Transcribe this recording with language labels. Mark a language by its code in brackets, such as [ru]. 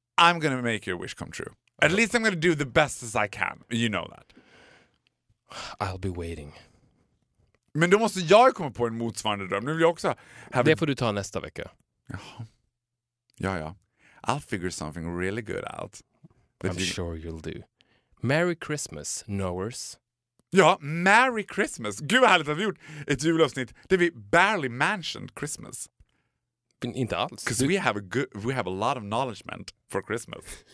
[en] I'm gonna make your wish come true. At least I'm gonna do the best as I can. You know that. I'll be waiting. [sv] Men då måste jag komma på en motsvarande dröm. Nu vill jag också ha... Det får du ta nästa vecka. Ja. [en] I'll figure something really good out. I'm sure you'll do. Merry Christmas, knowers. [sv] Ja, [en] Merry Christmas. [sv] Gud vad härligt att vi gjort ett julavsnitt där vi [en] barely mentioned Christmas. [sv] Inte alls. [en] Because we have a lot of knowledge for Christmas.